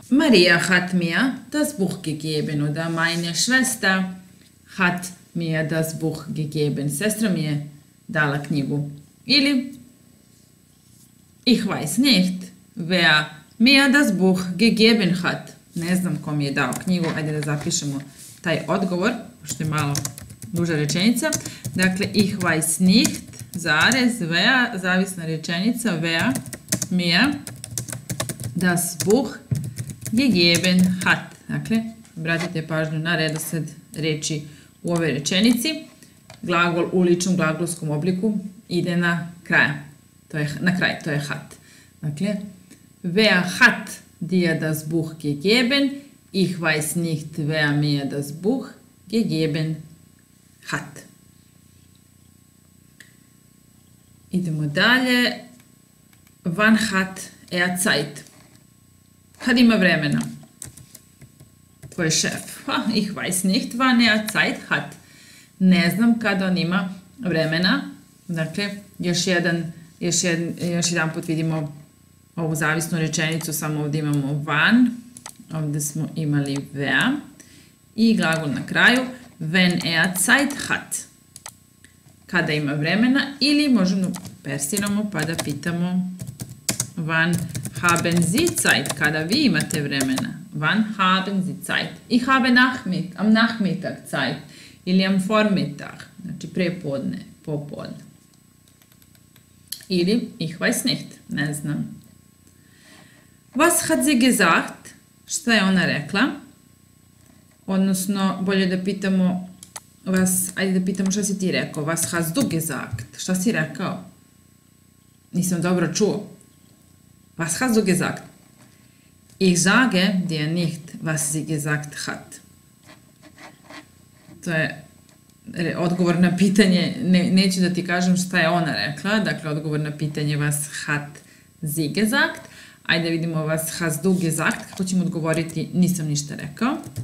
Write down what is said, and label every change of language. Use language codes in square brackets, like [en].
[de] Maria hat mir das Buch gegeben. Oda meine Schwester hat mir das Buch gegeben. [sr] Sestra mi je dala knjigu. Ili [de] ich weiß nicht, wer mir das Buch gegeben hat. [sr] Ne znam ko mi je dao knjigu. Ajde da zapišemo taj odgovor. Pošto je malo duža rečenica. [de] Dakle, ich weiß nicht, zarez, wer, [sr] zavisna rečenica, [de] wer mir das Buch gegeben hat. [sr] Dakle, obratite pažnju na redosled reči u ovoj rečenici. Glagol u ličnom glagolskom obliku ide na kraja. To je, na kraj, to je hat. Dakle, [de] wer hat dir das Buch gegeben? Ich weiß nicht, wer mir das Buch gegeben hat. [sr] Idemo dalje. [de] Wann hat er Zeit? [sr] Kad ima vremena? Ko je šef? [de] Ha, ich weiß nicht, wann er Zeit hat. [sr] Ne znam kad on ima vremena. Dakle, još jedan put vidimo ovu zavisnu rečenicu, samo ovdje imamo wann. Ovdje smo imali wer. I glagol na kraju. [de] Wenn er Zeit hat. [sr] Kada ima vremena, ili možemo persiramo pa da pitamo [de] wann haben Sie Zeit, [sr] kada vi imate vremena. [de] Wann haben Sie Zeit? Ich habe am Nachmittag Zeit. Ili am Vormittag, [sr] znači prepodne, popodne. Ili [de] ich weiß nicht, [sr] ne znam. [de] Was hat sie gesagt? [sr] Šta je ona rekla? Odnosno, bolje da pitamo vas, ajde da pitamo šta si ti rekao. [de] Was hast du gesagt? [sr] Šta si rekao? Nisam dobro čuo. [de] Was hast du gesagt? Ich sage dir nicht, was sie gesagt hat. [sr] To je odgovor na pitanje, neću da ti kažem šta je ona rekla, dakle odgovor na pitanje [de] was hat sie gesagt. [sr] Ajde vidimo [de] was hast du gesagt, [sr] kako ćemo odgovoriti nisam ništa rekao.